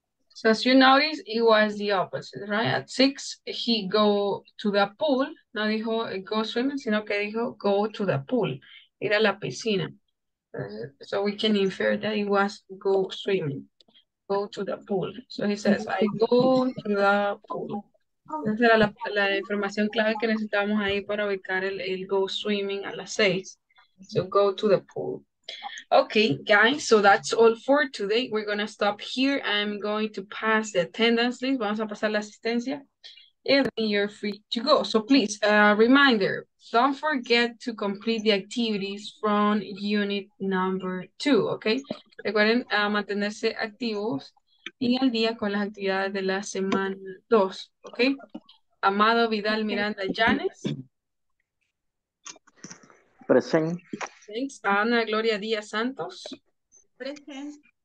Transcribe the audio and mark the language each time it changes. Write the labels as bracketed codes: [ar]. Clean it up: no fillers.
[en] So as you notice, it was the opposite, right? At 6, he go to the pool. [es] No dijo go swimming, sino que dijo [en] go to the pool. [es] Ir a la piscina. [en] So we can infer that it was go swimming. Go to the pool. So he says, I go to the pool. [es] Esa era la información clave que necesitábamos ahí para ubicar el go swimming a las 6. [en] So go to the pool. Okay, guys, so that's all for today. We're going to stop here. I'm going to pass the attendance list. [es] Vamos a pasar la asistencia. [en] And you're free to go. So please, reminder, don't forget to complete the activities from unit number 2, okay? [es] Recuerden mantenerse activos y al día con las actividades de la semana 2, okay? Amado Vidal Miranda Llanes. [en] Present. Thanks. Ana Gloria Díaz Santos. Present.